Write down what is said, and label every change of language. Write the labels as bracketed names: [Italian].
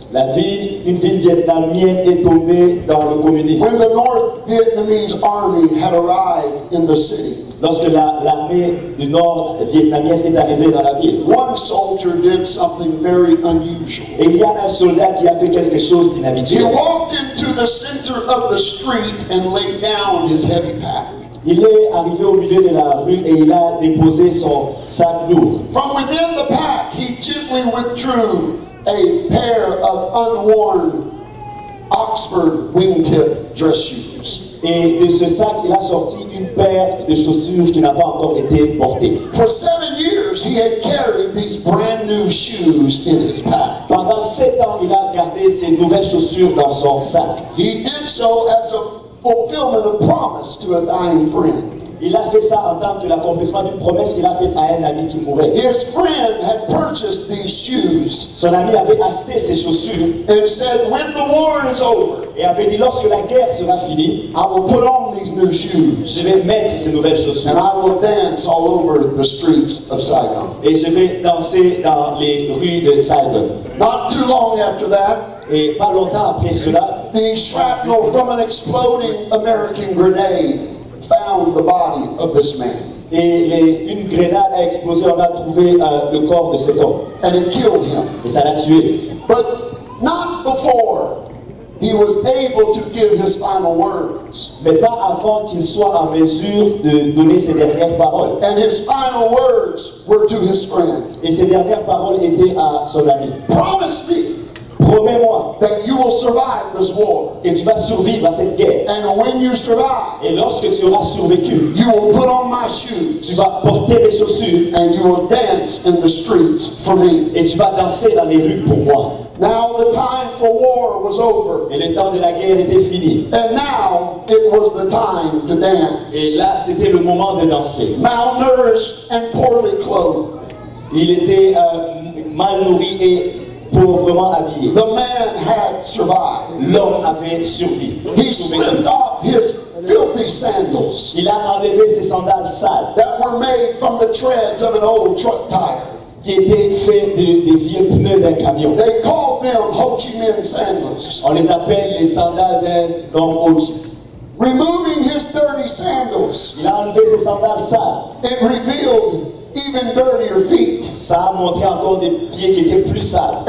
[French] Une ville vietnamienne est tombée dans le communisme. [English] When the North Vietnamese army had arrived in the city, [French] lorsque l'armée du Nord vietnamienne est arrivée dans la ville, [English] one soldier did something very unusual. [French] Et il y a un soldat qui a fait quelque chose d'inhabituel. [English] He walked into the center of the street and laid down his heavy pack. [French] Il est arrivé au milieu de la rue et il a déposé son sac lourd. [English] From within the pack, he gently withdrew a pair of unworn Oxford wingtip dress shoes. [French] Et de ce sac, il a sorti une paire de chaussures qui n'a pas encore été portée. [English] For 7 years, he had carried these brand new shoes in his pack. [French] Pendant 7 ans, il a gardé ces nouvelles chaussures dans son sac. [English] He did so as a fulfillment of promise to a dying friend. [French] Il a fait ça en tant que l'accomplissement d'une promesse qu'il a faite à un ami qui mourait. [English] His friend had purchased these shoes. [French] Son ami avait acheté ces chaussures. [English] And said, when the war is over, [French] et avait dit, lorsque la guerre sera finie, [English] I will put on these new shoes. [French] Je vais mettre ces nouvelles chaussures. [English] And I will dance all over the streets of Saigon. [French] Et je vais danser dans les rues de Saigon. [English] Not too long after that, [French] et pas longtemps après cela, [English] the shrapnel from an exploding American grenade found the body of this man. [French] Et une grenade a explosé, on a trouvé le corps de cet homme. [English] And it killed him. [French] Et ça l'a tué. [English] But not before he was able to give his final words. [French] Mais pas avant qu'il soit en mesure de donner ses dernières paroles. [English] And his final words were to his friend. [French] Et ses dernières paroles étaient à son ami. [English] Promise me. [French] Promets-moi [English] that you will survive this war. [French] Et tu vas survivre à cette guerre. [English] And when you survive, [French] et lorsque tu auras survécu, [English] you will put on my shoes. [French] Tu vas porter mes chaussures. [English] And you will dance in the streets for me. [French] Et tu vas danser dans les rues pour moi. [English] Now the time for war was over. [French] Et le temps de la guerre était fini. [English] And now it was the time to dance. [French] Et là, c'était le moment de danser. [English] Malnourished and poorly clothed. [French] Il était mal nourri et pauvrement habillé. [English] The man had survived. [French] L'homme avait survécu. [English] He slipped off his filthy sandals. [French] Il a enlevé ses sandales sales. [English] That were made from the treads of an old truck tire. [French] Qui étaient faits des vieux pneus d'un camion. [English] They called them Ho Chi Minh sandals. [French] On les appelle les sandales d'un Don Ho Chi. [English] Removing his dirty sandals. [French] Il a enlevé ses sandales sales. [English] It revealed even dirtier feet. [French] Ça a montré encore des pieds qui étaient plus sales.